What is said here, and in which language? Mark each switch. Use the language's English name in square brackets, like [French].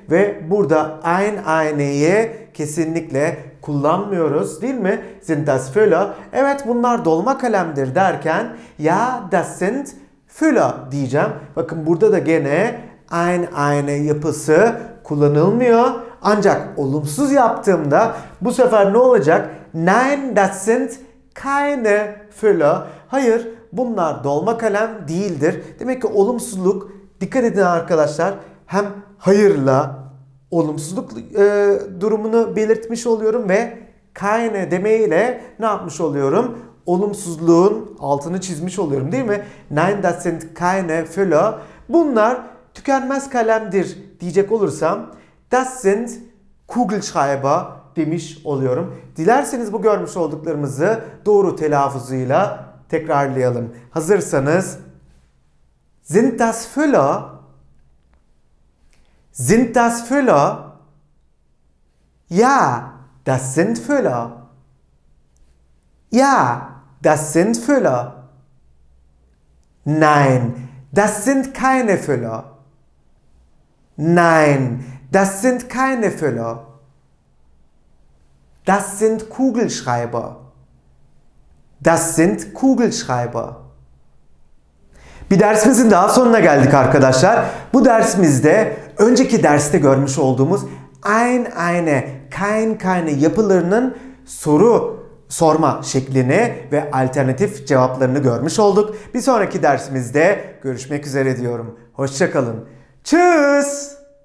[Turkish] Ve burada eine'yi kesinlikle kullanmıyoruz, değil mi? [German] Sind das Füller. [Turkish] Evet bunlar dolma kalemdir derken [German] ya das sind Füller [Turkish] diyeceğim. Bakın burada da gene eine yapısı kullanılmıyor. Ancak olumsuz yaptığımda bu sefer ne olacak? [German] Nein, das sind keine Füller. [Turkish] Hayır, bunlar dolma kalem değildir. Demek ki olumsuzluk, dikkat edin arkadaşlar, hem hayırla olumsuzluk durumunu belirtmiş oluyorum ve keine demeyle ne yapmış oluyorum? Olumsuzluğun altını çizmiş oluyorum, değil mi? [German] Nein, das sind keine Füller. [Turkish] Bunlar tükenmez kalemdir diyecek olursam [German] das sind Kugelschreiber [Turkish] demiş oluyorum. Dilerseniz bu görmüş olduklarımızı doğru telaffuzuyla tekrarlayalım. Hazırsanız [German] sind das Füller, sind das Füller, ja, das sind Füller, ja, das sind Füller, nein, das sind keine Füller, nein, das sind keine Füller. Das sind Kugelschreiber. Das sind Kugelschreiber. [Turkish] Bir dersimizin daha sonuna geldik arkadaşlar. Bu dersimizde önceki derste görmüş olduğumuz eine, keine yapılarının soru sorma şeklini ve alternatif cevaplarını görmüş olduk. Bir sonraki dersimizde görüşmek üzere diyorum. Hoşça kalın. Tschüss.